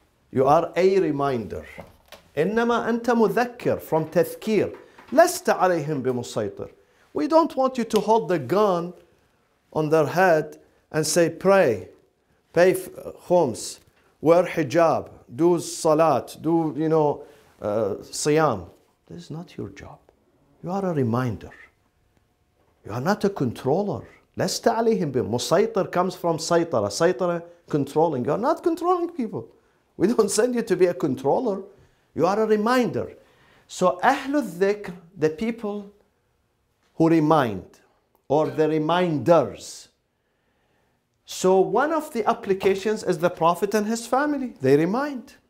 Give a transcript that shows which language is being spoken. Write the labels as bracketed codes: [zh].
[en] You are a reminder. [ar] إِنَّمَا أَنْتَ مُذَكِّرٌ [en] From تَذْكِيرٌ [ar] لَسْتَ عَلَيْهِمْ بِمُسَيْطِرٌ [en] We don't want you to hold the gun on their head and say, pray, pay khums, wear hijab, do salat, do, you know, siyam. This is not your job. You are a reminder. You are not a controller. [ar] لَسْتَ عَلَيْهِمْ بِمُسَيْطِرٌ [en] comes from [ar] سَيْطَرَ. [en] سَيْطَرَ, controlling. You are not controlling people. We don't send you to be a controller. You are a reminder. So Ahlul Dhikr, the people who remind, or the reminders. So one of the applications is the Prophet and his family. They remind.